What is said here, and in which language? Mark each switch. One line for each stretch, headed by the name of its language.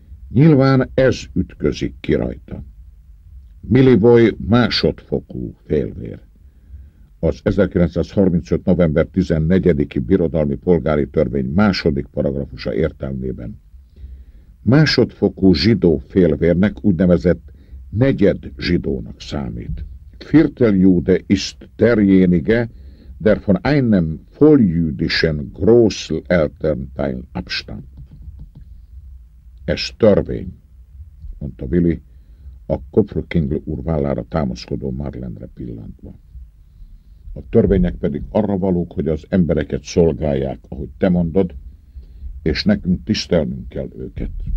Hungarian: Nyilván ez ütközik ki rajta. Milivoj másodfokú félvér. Az 1935. november 14-i birodalmi polgári törvény második paragrafusa értelmében másodfokú zsidó félvérnek úgynevezett negyed zsidónak számít.
German: Vierteljude ist derjenige, der von einem volljüdischen Großeltern teil abstammt.
Hungarian: Ez törvény, mondta Vili, a Kopfrkingl úr vállára támaszkodó Marlenre pillantva. A törvények pedig arra valók, hogy az embereket szolgálják, ahogy te mondod, és nekünk tisztelnünk kell őket.